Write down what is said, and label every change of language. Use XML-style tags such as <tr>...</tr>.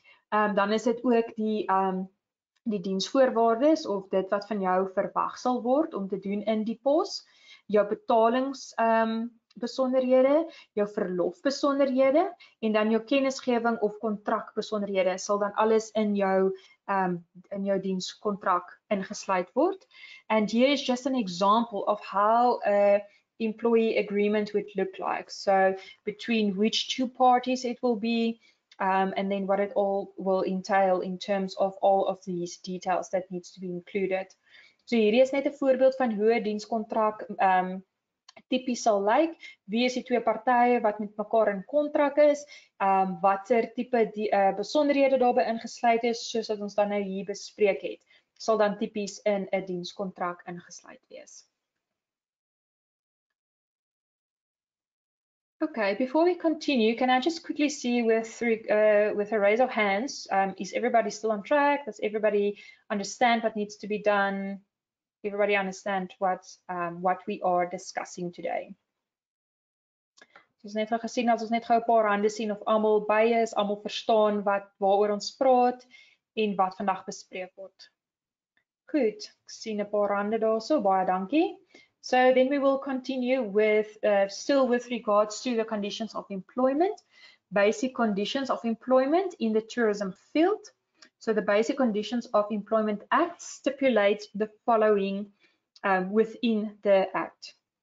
<af>Dan is dit ook die diensvoorwaardes of dit wat van jou verwag sal word om te doen in die pos, jou betalings besonderhede, jou verlof besonderhede en dan jou kennisgewing of kontrak besonderhede sal dan alles in jou dienskontrak ingesluit word.</af> <en>And here is just an example of how a employee agreement would look like. So between which two parties it will be, and then what it all will entail in terms of all of these details that needs to be included.</en> <af>So hierdie is net 'n voorbeeld van hoe 'n dienskontrak tipies sal lyk. Wie is die twee partye wat met mekaar in kontrak is? Watter tipe die besonderhede daarbey ingesluit is, soos wat ons dan nou hier bespreek het, sal dan tipies in 'n dienskontrak ingesluit wees.</af> <en>Okay, before we continue, can I just quickly see with a raise of hands, is everybody still on track? Does everybody understand what needs to be done? Everybody understand what we are discussing today?</en> <af>Ons net gou gesien as ons net gou 'n paar hande sien of almal by is, almal verstaan wat waaroor ons praat en wat vandag bespreek word. Goed, ek sien 'n paar hande daarso, baie dankie.</af> <en>So then we will continue with still with regards to the conditions of employment, basic conditions of employment in the tourism field. So the Basic Conditions of Employment Act stipulates the following within the act.</en>